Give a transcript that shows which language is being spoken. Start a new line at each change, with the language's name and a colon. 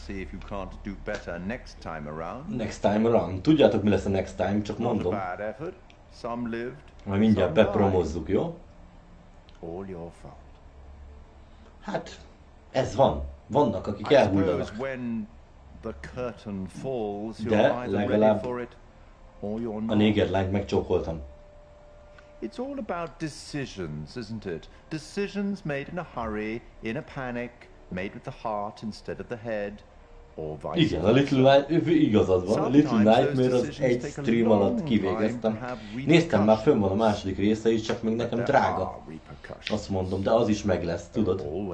English: See if you can't do better next time around. Next time around.
Hungarian: Tudjátok, mi lesz a
English: next time,
Hungarian: csak mondom.
English: Not a bad effort. Some lived.
Hungarian: Majd mindjárt bepromozzuk, jó?
English: All your fault.
Hungarian: Hát, ez van. Vannak, akik elhullanak.
English: When the curtain falls,
Hungarian: de legalább a néger lányt megcsókoltam.
English: It's all about decisions, isn't it? Decisions made in a hurry, in a panic, made with the heart instead of the head, or vice versa.
Hungarian: Igen, a Little Nightmare, igazad van, a Little Nightmare az egy stream alatt kivégeztem. Néztem, már fönn van a második része is, csak még nekem drága. Azt mondom, de az is meg lesz, tudod?